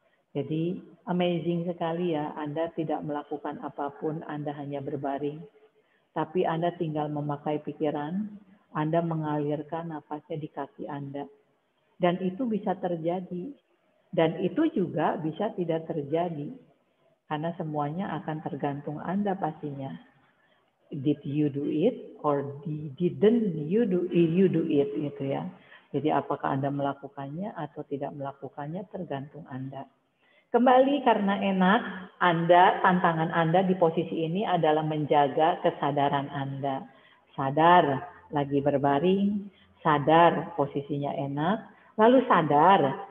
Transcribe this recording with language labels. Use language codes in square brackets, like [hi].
[id] Jadi amazing sekali ya, Anda tidak melakukan apapun, Anda hanya berbaring. Tapi Anda tinggal memakai pikiran, Anda mengalirkan nafasnya di kaki Anda. Dan itu bisa terjadi. Dan itu juga bisa tidak terjadi. Karena semuanya akan tergantung Anda pastinya. [en] Did you do it or didn't you do it? [id] Gitu ya. Jadi apakah Anda melakukannya atau tidak melakukannya tergantung Anda. Kembali karena enak, Anda, tantangan Anda di posisi ini adalah menjaga kesadaran Anda. Sadar lagi berbaring, sadar posisinya enak. Lalu sadar